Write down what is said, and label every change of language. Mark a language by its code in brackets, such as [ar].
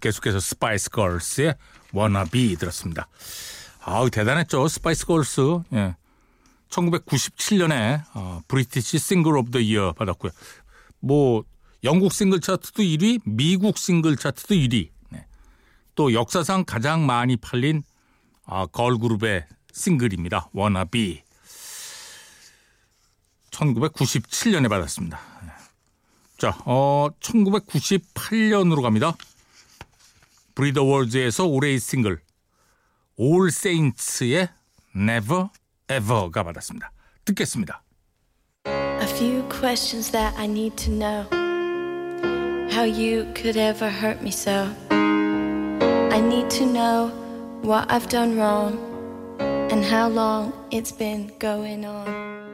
[ko] 계속해서 Spice Girls의 Wanna Be 들었습니다. 아우, 대단했죠, Spice Girls. 예. 1997년에 British Single of the Year 받았고요. 뭐 영국 싱글 차트도 1위, 미국 싱글 차트도 1위. 네. 또 역사상 가장 많이 팔린 걸그룹의 싱글입니다. Wanna Be. 1997년에 받았습니다. 자, 1998년으로 갑니다. 브리더 월즈에서 올해의 싱글 All Saints의 Never Ever가 받았습니다. 듣겠습니다. [en] A few questions that I need to know. How you could ever hurt me so. I need to know what I've done wrong and how long it's been going on.